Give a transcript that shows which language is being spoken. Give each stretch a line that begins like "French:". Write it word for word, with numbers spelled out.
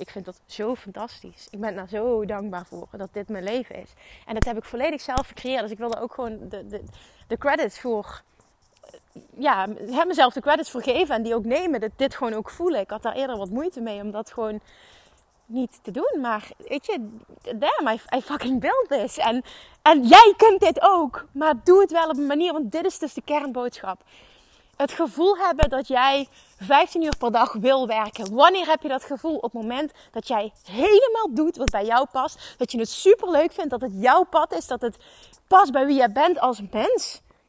Dutch: Ik vind dat zo fantastisch. Ik ben daar zo dankbaar voor, dat dit mijn leven is. En dat heb ik volledig zelf gecreëerd. Dus ik wilde ook gewoon de, de, de credits voor... Ja, heb mezelf de credits voor geven en die ook nemen. Dit, dit gewoon ook voelen. Ik had daar eerder wat moeite mee om dat gewoon niet te doen. Maar weet je,
English: damn, I, I fucking built this.
Dutch: En, en jij kunt dit ook. Maar doe het wel op een manier, want dit is dus de kernboodschap. Het gevoel hebben dat jij vijftien uur per dag wil werken. Wanneer heb je dat gevoel? Op het moment dat jij helemaal doet wat bij jou past. Dat je het superleuk vindt, dat het jouw pad is. Dat het past bij wie jij bent als mens.